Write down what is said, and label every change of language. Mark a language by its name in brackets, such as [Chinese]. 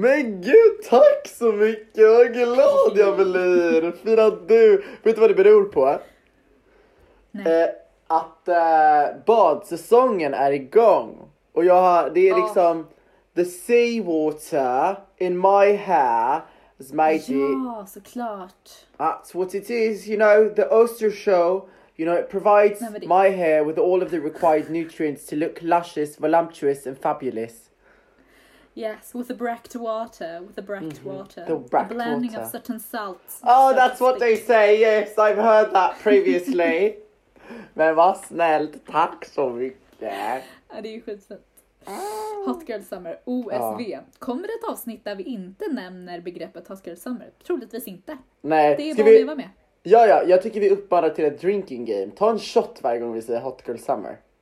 [Swedish] Men gud, tack så mycket. Vad glad jag blir. Fira du. Vet du vad det beror på? Nej. Att badsäsongen är igång. Och jag har, det är liksom [English] the sea water in my hair is mighty. [Swedish] Ja, såklart. [English] That's what it is, you know, the Oster show. You know, it provides my hair with all of the required nutrients to look luscious, voluptuous and fabulous. Yes, with the Brecht water, with the Brecht water. The Brecht water. The blending of certain salts. Oh, that's what they say, yes, I've heard that previously. [Swedish] Men vad snällt, tack så mycket. Ja, det är ju skitsnällt. Hot Girl Summer, OSV. Ja. Kommer det ett avsnitt där vi inte nämner begreppet Hot Girl Summer? Troligtvis inte. Nej. Det är bara att leva med. Ja, ja, jag tycker vi uppmanar till ett drinking game. Ta en shot varje gång vi säger Hot Girl Summer.